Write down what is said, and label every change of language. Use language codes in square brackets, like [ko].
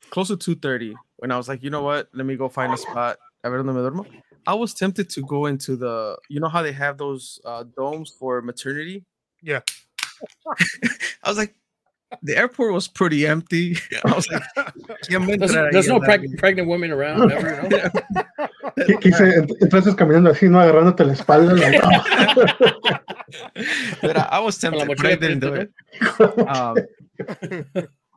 [en] close to 2:30 when I was like, you know what, let me go find a spot. [es] A ver dónde me duermo. [en] I was tempted to go into the... you know how they have those domes for maternity? Yeah. I was like, the airport was pretty empty. I was like, there's no pregnant women around. [es] Quise, entonces caminando así, no agarrándote la espalda. [en] Like, oh. But I was tempted, but I didn't do it.